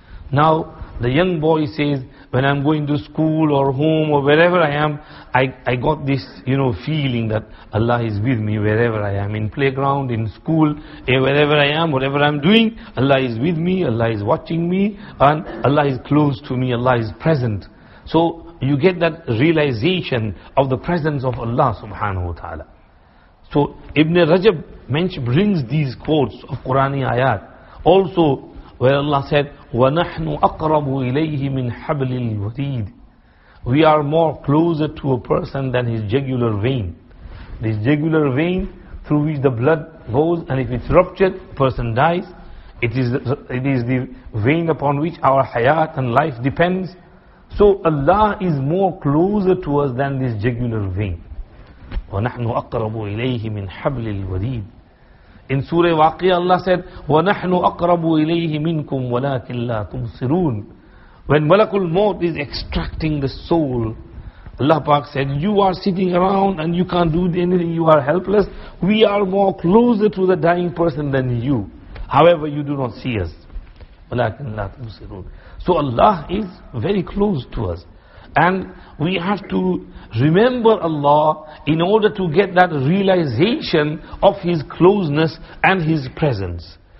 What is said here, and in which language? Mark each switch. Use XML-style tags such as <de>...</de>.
<en>Now, the young boy says, when I'm going to school or home or wherever I am, I got this, you know, feeling that Allah is with me wherever I am, in playground, in school, wherever I am, whatever I'm doing, Allah is with me, Allah is watching me, and Allah is close to me, Allah is present. So, you get that realization of the presence of Allah subhanahu wa ta'ala. So, Ibn Rajab brings these quotes of Qur'ani ayat. Also, where Allah said,</en> <ar>وَنَحْنُ أَقْرَبُ إِلَيْهِ مِنْ حَبْلِ الْوَرِيدِ.</ar> <en>We are more closer to a person than his jugular vein. This jugular vein through which the blood goes, and if it's ruptured, person dies. It is the vein upon which our hayat and life depends. So Allah is more closer to us than this jugular vein.</en> <ar>وَنَحْنُ أَقْرَبُ إِلَيْهِ مِنْ حَبْلِ الْوَرِيدِ.</ar> <en>In Surah Waqiyah, Allah said,</en> <ar>وَنَحْنُ أَقْرَبُ إِلَيْهِ مِنْكُمْ وَلَاكِنْ لَا تُبْصِرُونَ.</ar> <en>When Malakul Maut is extracting the soul, Allah Pak said, you are sitting around and you can't do anything, you are helpless. We are more closer to the dying person than you. However, you do not see us.</en> <ar>وَلَاكِنْ لَا تُبْصِرُونَ.</ar> <en>So Allah is very close to us. And we have to remember Allah in order to get that realization of His closeness and His presence.</en>